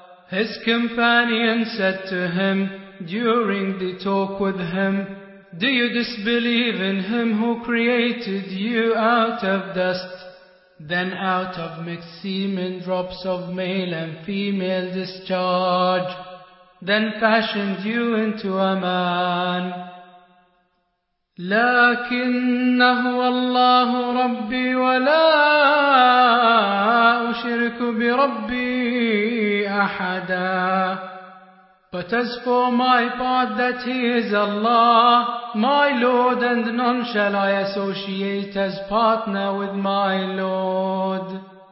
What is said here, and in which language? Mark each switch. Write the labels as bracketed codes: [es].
[en] His companion said to him during the talk with him, Do you disbelieve in him who created you out of dust? Then out of mixed semen drops of male and female discharge, then fashioned you into a man. [ar] لكنه الله ربي ولا أشرك بربي أحدا. [en] But as for my part, that he is Allah, my Lord, and none shall I associate as partner with my Lord.